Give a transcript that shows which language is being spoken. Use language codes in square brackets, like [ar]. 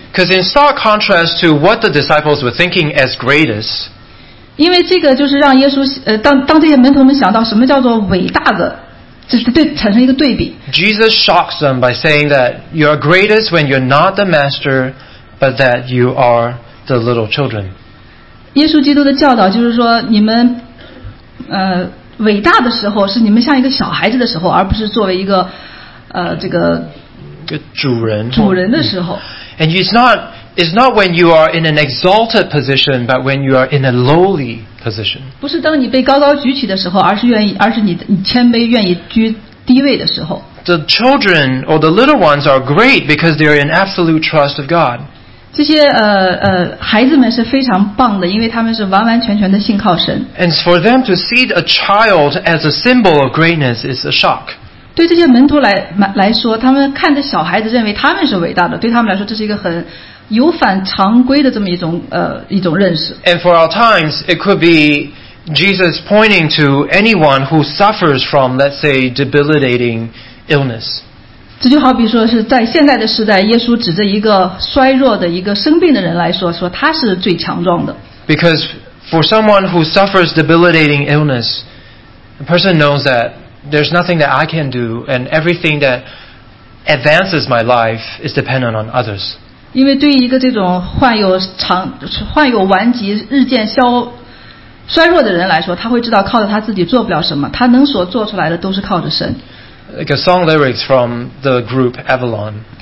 [en] Because in stark contrast to what the disciples were thinking as greatest. [zh] 因为这个就是让耶稣当这些门徒们想到什么叫做伟大的。产生一个对比。 [en] Jesus shocks them by saying that you are greatest when you're not the master, but that you are the little children. [zh] 耶稣基督的教导就是说，你们伟大的时候是你们像一个小孩子的时候，而不是作为一个这个主人的时候。 [en] And it's not when you are in an exalted position, but when you are in a lowly position. [zh] 不是当你被高高举起的时候，而是你谦卑愿意居低位的时候。 [en] The children or the little ones are great because they are in absolute trust of God. [zh] 这些孩子们是非常棒的，因为他们是完完全全的信靠神。 [en] And for them to see a child as a symbol of greatness is a shock. [zh] 对这些门徒来说，他们看着小孩子，认为他们是伟大的。对他们来说，这是一个很有反常规的这么一种认识。 [en] And for our times, it could be Jesus pointing to anyone who suffers from, let's say, debilitating illness. [zh] 这就好比说是在现在的时代，耶稣指着一个衰弱的一个生病的人来说，说他是最强壮的。 [en] Because for someone who suffers debilitating illness, a person knows that. There's nothing that I can do, and everything that advances my life is dependent on others. [zh] 因为对于一个这种患有顽疾、日渐衰弱的人来说，他会知道靠着他自己做不了什么，他能所做出来的都是靠着神。 [en] Like a song lyrics from the group Avalon.